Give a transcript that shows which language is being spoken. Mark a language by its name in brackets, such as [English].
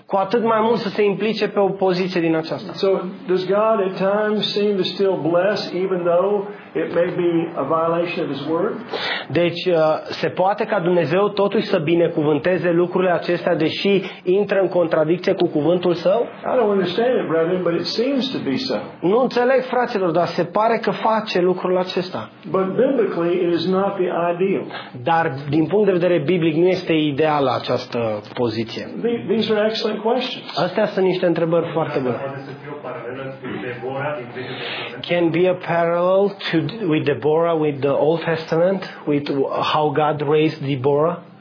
[Romanian] Cu atât mai mult să se implice pe o poziție din aceasta. [English] So does God at times seem to still bless even though it may be a violation of his word? [Romanian] Deci se poate ca Dumnezeu totuși să binecuvânteze lucrurile acestea deși intră în contradicție cu cuvântul său? [English] I don't understand it, brethren, but it seems to be so. [Romanian] Nu înțeleg, fraților, dar se pare că face lucrul acesta. [English] But biblically it is not the ideal. [Romanian] Dar din punct de vedere biblic nu este ideală această poziție. [English] These are excellent questions. [Romanian] Astea sunt niște întrebări foarte bune. [English] Can be a parallel to with Deborah, with the Old Testament, with how God raised Deborah.